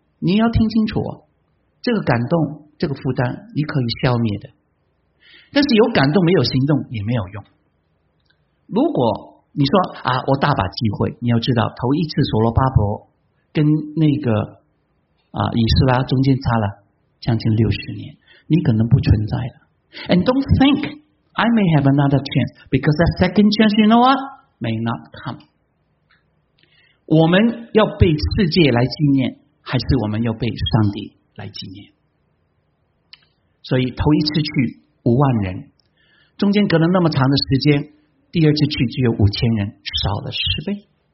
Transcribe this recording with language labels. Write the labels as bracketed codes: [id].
[zh] 你要听清楚，这个感动这个负担你可以消灭的，但是有感动没有行动也没有用。如果你说啊，我大把机会，你要知道头一次所罗巴伯跟那个啊以斯拉中间差了将近60年，你可能不存在的。 [en] And don't think I may have another chance because that second chance, you know what, may not come。 [zh] 我们要被世界来纪念还是我们要被上帝来纪念？所以头一次去50000人，中间隔了那么长的时间，第二次去只有5000人，少了10倍。